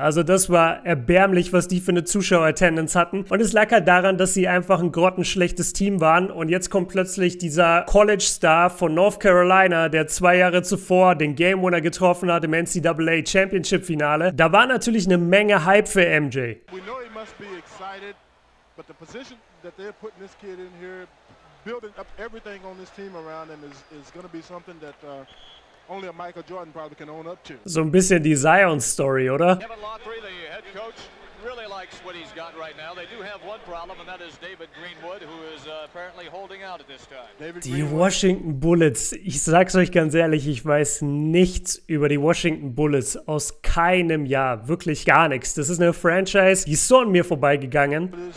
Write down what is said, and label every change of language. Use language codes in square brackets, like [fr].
[de] Also das war erbärmlich, was die für eine Zuschauer-Attendance hatten. Und es lag halt daran, dass sie einfach ein grottenschlechtes Team waren. Und jetzt kommt plötzlich dieser College-Star von North Carolina, der 2 Jahre zuvor den Game-Winner getroffen hat im NCAA-Championship-Finale. Da war natürlich eine Menge Hype für MJ. [en] We know he must be excited, but the position that they're putting this kid in here, building up everything on this team around him is going to be something that only a Michael Jordan probably can own up to. [de] So ein bisschen die Zion Story, oder? [en] Kevin Lothry, the head coach, really likes what he's got right now. They do have one problem, and that is David Greenwood, who is apparently holding out at this time. [de] Die Washington Bullets. Ich sag's euch ganz ehrlich, ich weiß nichts über die Washington Bullets aus keinem Jahr. Wirklich gar nichts. Das ist eine Franchise, die ist so an mir vorbeigegangen.